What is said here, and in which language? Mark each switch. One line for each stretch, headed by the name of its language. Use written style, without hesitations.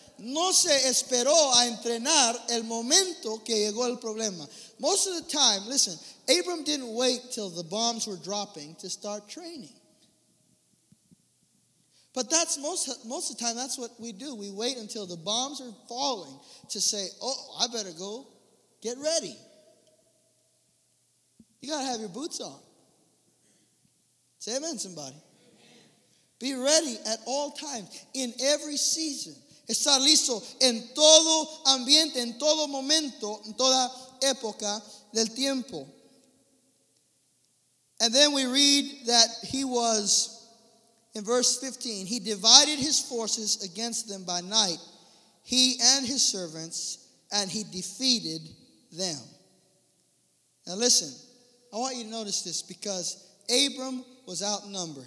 Spanish: No se esperó a entrenar el momento que llegó el problema.
English: Most of the time, listen, Abram didn't wait till the bombs were dropping to start training. But that's most of the time, that's what we do. We wait until the bombs are falling to say, oh, I better go get ready. You got to have your boots on. Say amen, somebody. Amen. Be ready at all times, in every season.
Spanish: Estar listo en todo ambiente, en todo momento, en toda época del tiempo.
English: And then we read that he was, in verse 15, he divided his forces against them by night, he and his servants, and he defeated them. Now listen, I want you to notice this because Abram was outnumbered.